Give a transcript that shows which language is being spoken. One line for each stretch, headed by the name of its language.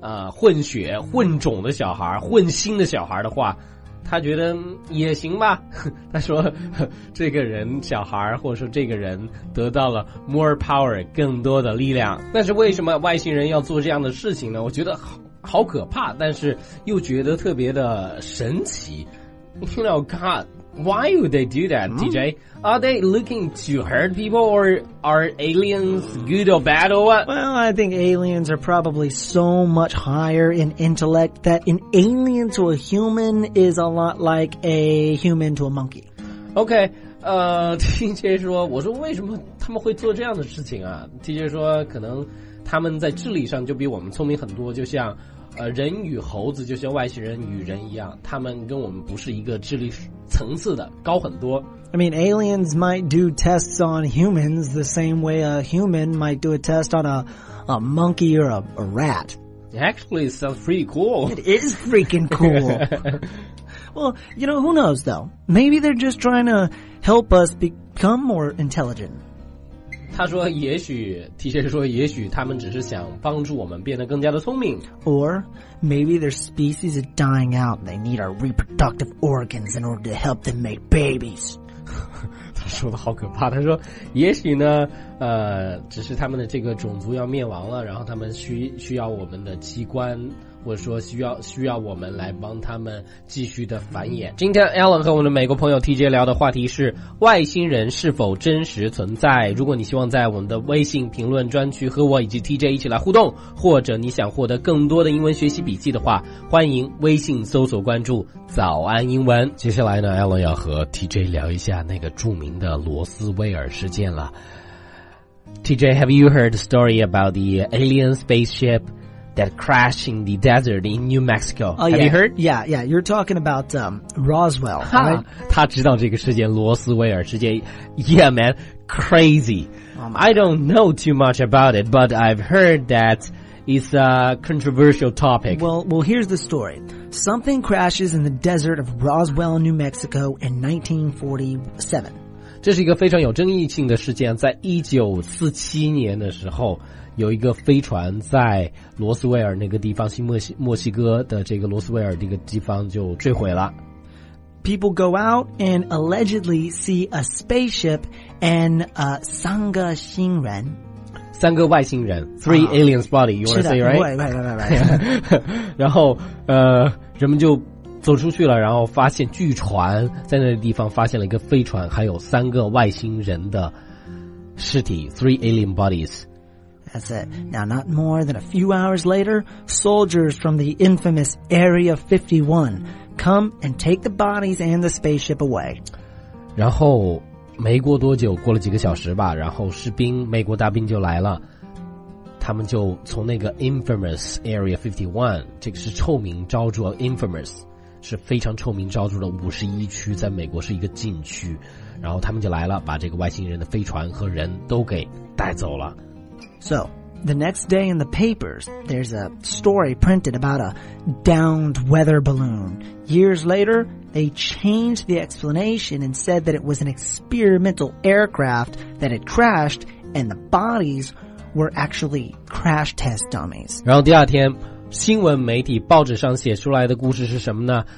Chinese: 混血混种的小孩，混心的小孩的话，他觉得也行吧。他说这个人小孩或者说这个人得到了
English: more power，
Chinese: 更多的力量。但是为什么外星人要做这样的事情呢？我觉得 好可怕，但是又觉得特别的神奇。
English: You know, God, why would they do that, DJ? Are they looking to hurt people, or are aliens good or bad or what? Well, I think aliens are probably so much higher in intellect that an alien to a human is a lot like a human to a monkey.
Chinese: Okay, TJ 说，我说为什么他们会做这样的事情啊？ TJ 说，可能他们在智力上就比我们聪明很多，就像人与猴子，就像外星人与人一样，他们跟我们不是一个智力层次的，高很多。
English: I mean, aliens might do tests on humans the same way a human might do a test on a monkey or a rat. Actually, it sounds pretty cool. It is freaking cool. Well, you know, who knows though? Maybe they're just trying to help us become more intelligent.
Chinese: 他说也许 TJ 说也许他们只是想帮助我们变得更加的聪明。
English: Or maybe their species is dying out and they need our reproductive organs in order to help them make babies.
Chinese: 他说的好可怕。他说也许呢只是他们的这个种族要灭亡了，然后他们需要我们的器官，或者说需要我们来帮他们继续的繁衍。今天 Alan 和我们的美国朋友 TJ 聊的话题是外星人是否真实存在。如果你希望在我们的微信评论专区和我以及 TJ 一起来互动，或者你想获得更多的英文学习笔记的话，欢迎微信搜索关注早安英文。接下来呢， Alan 要和 TJ 聊一下那个著名的罗斯威尔事件了。
English: TJ, have you heard the story about the alien spaceshipthat crashed in the desert in New Mexico. Oh, Have you heard? Yeah, yeah. You're talking about Roswell, right?
Chinese: 他知道这个事件，罗斯威尔事件。
English: Yeah, man. Crazy. I don't know too much about it, but I've heard that it's a controversial topic. Well, here's the story. Something crashes in the desert of Roswell, New Mexico in 1947.
Chinese: 这是一个非常有争议性的事件。在1947年的时候，有一个飞船在罗斯威尔那个地方，新墨西哥的这个罗斯威尔这个地方就坠毁了。
English: People go out and allegedly see a spaceship and Sanga
Chinese: 星人。三个外星人
English: ，three aliens body. You want to say right? Right.
Chinese: 然后人们就走出去了，然后发现巨船在那个地方，发现了一个飞船，还有三个外星人的尸体 ，
English: three alien bodies. That's it. Now, not more than a few hours later, soldiers from the infamous Area 51 come and take the bodies and the spaceship away.
Chinese: 然后没过多久，过了几个小时吧，然后士兵，美国大兵就来了，他们就从那个
English: infamous Area 51,
Chinese: 这个是臭名昭著
English: infamous,
Chinese: 是非常臭名昭著的51区，在美国是一个禁区，然后他们就来了，把这个外星人的飞船和人都给带走了。
English: So the next day in the papers, there's a story printed about a downed weather balloon. Years later, they changed the explanation and said that it was an experimental aircraft that had crashed and the bodies were actually crash test dummies.
Chinese: 然后第二天新闻媒体报纸上写出来的故事是什么呢？